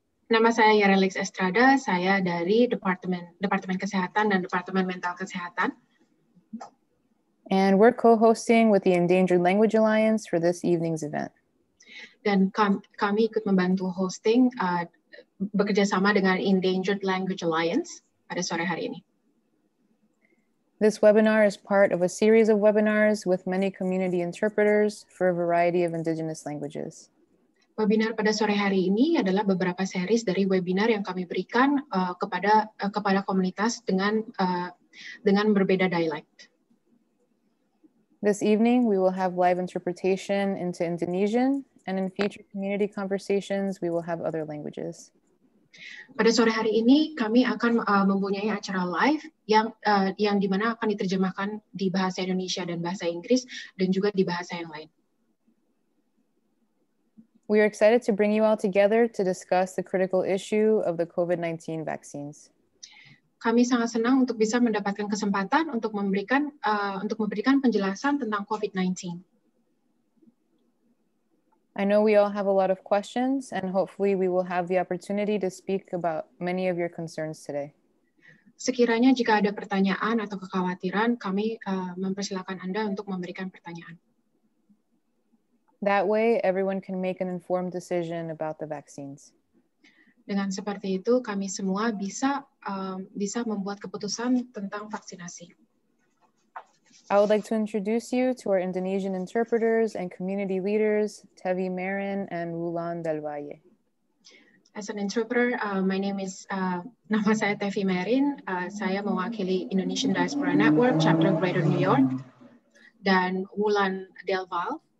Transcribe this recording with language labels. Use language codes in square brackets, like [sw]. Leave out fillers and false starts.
[id] Nama saya Yaralix Estrada, saya dari Departemen Kesehatan dan Departemen Mental Kesehatan. [en] And we're co-hosting with the Endangered Language Alliance for this evening's event. [id] Dan kami ikut membantu hosting bekerja sama dengan Endangered Language Alliance pada sore hari ini. [en] This webinar is part of a series of webinars with many community interpreters for a variety of indigenous languages. [id] Webinar pada sore hari ini adalah beberapa series dari webinar yang kami berikan kepada komunitas dengan berbeda dialect. [en] This evening we will have live interpretation into Indonesian, and in future community conversations we will have other languages. [id] Pada sore hari ini kami akan mempunyai acara live yang dimana akan diterjemahkan di bahasa Indonesia dan bahasa Inggris dan juga di bahasa yang lain. [en] We are excited to bring you all together to discuss the critical issue of the COVID-19 vaccines. [id] Kami sangat senang untuk bisa mendapatkan kesempatan untuk memberikan penjelasan tentang COVID-19. [en] I know we all have a lot of questions, and hopefully we will have the opportunity to speak about many of your concerns today. [id] Sekiranya jika ada pertanyaan atau kekhawatiran, kami mempersilakan Anda untuk memberikan pertanyaan. [en] That way, everyone can make an informed decision about the vaccines. [id] Dengan seperti itu, kami semua bisa membuat keputusan tentang vaksinasi. [en] I would like to introduce you to our Indonesian interpreters and community leaders, Tevi Marin and Wulan Del Valle. As an interpreter, [id] nama saya Tevi Marin. Saya mewakili Indonesian Diaspora Network, Chapter Greater New York, dan Wulan Del Valle.